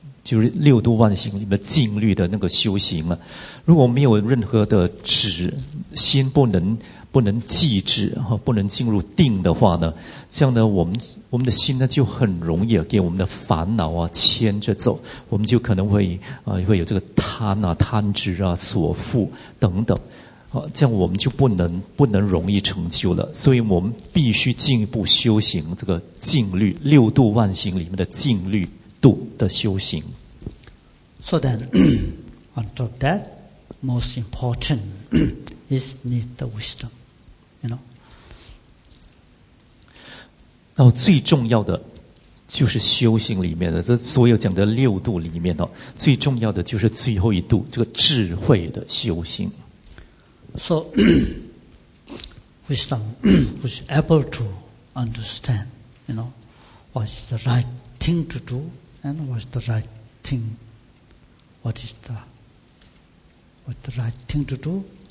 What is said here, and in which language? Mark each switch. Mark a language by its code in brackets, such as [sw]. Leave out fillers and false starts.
[zh] 就是六度万行里面静虑的那个修行啊，如果没有任何的止心，不能寂止，不能进入定的话呢，这样呢我们的心呢就很容易给我们的烦恼啊牵着走，我们就可能会有这个贪啊贪执啊所缚等等，这样我们就不能容易成就了。所以我们必须进一步修行这个静虑，六度万行里面的静虑度的修行。 [en] So then, on top of that, most important is need the wisdom, you know. [zh] 然后最重要的就是修行里面的这所有讲的六度里面哦，最重要的就是最后一度这个智慧的修行。 [en] So wisdom was able to understand, you know, what's the right thing to do. And what's the right thing? What's the right thing to do?